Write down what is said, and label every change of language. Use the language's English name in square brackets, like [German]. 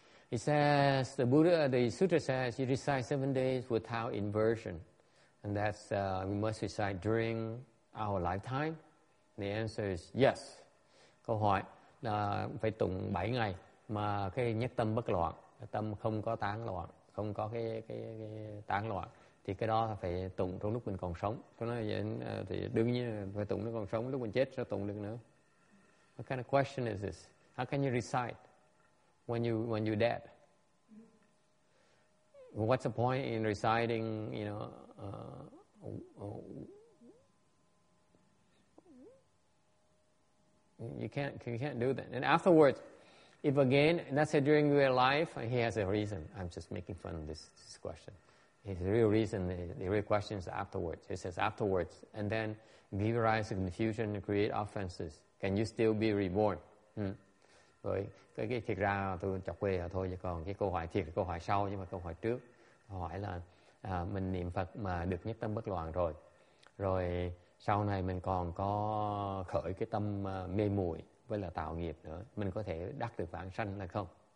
[English] It says, the Buddha, the sutra says, you recite 7 days without inversion. And that's, we must recite during our lifetime. The answer is yes. [Vietnamese] Câu hỏi là phải tụng 7 ngày mà cái nhất tâm bất loạn, tâm không có tán loạn, không có cái tán loạn. thì cái đó phải tụng trong lúc mình còn sống. Tôi nói vậy thì đương nhiên phải tụng lúc còn sống, lúc mình chết sao tụng được nữa. [English] What kind of question is this? How can you recite when you're dead? What's the point in reciting, you know, you can't do that. And afterwards, if again, let's say during your life, he has a reason. I'm just making fun of this question. His real reason, the real question is afterwards. He says afterwards, and then give rise to confusion and create offenses. Can you still be reborn? [Vietnamese] Rồi cái thiệt ra tôi chọc quê rồi thôi, chứ còn cái câu hỏi thiệt là câu hỏi sau, nhưng mà câu hỏi trước hỏi là mình niệm Phật mà được nhất tâm bất loạn rồi, rồi sau này mình còn có khởi cái tâm mê muội với là tạo nghiệp nữa, mình có thể đắc được vãng sanh là không?